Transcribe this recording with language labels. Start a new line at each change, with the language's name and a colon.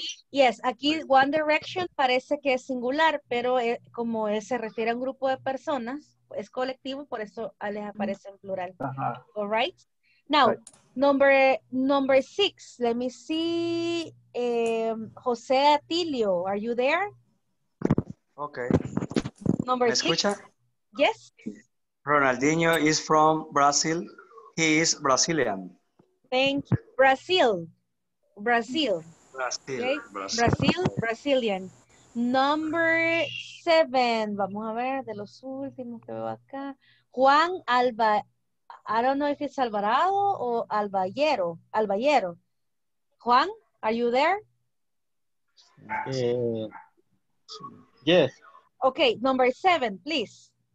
Spanish: yes, aquí One Direction parece que es singular, pero como se refiere a un grupo de personas, es colectivo, por eso les aparece en plural. Uh-huh.
English: All right. Now, number six, let me see, José Atilio, are you there? Okay. Number six.
Spanish: ¿Me escucha?
English: Yes. Ronaldinho is from Brazil. He is Brazilian. Thank you. Brazil. Brazil. Okay. Brazilian. Number seven.
Spanish: Vamos a ver de los últimos que veo acá. Juan Alba.
English: I don't know if it's Alvarado o Alvallero. Alvallero. Juan, are you there? Yes. Okay, number seven, please.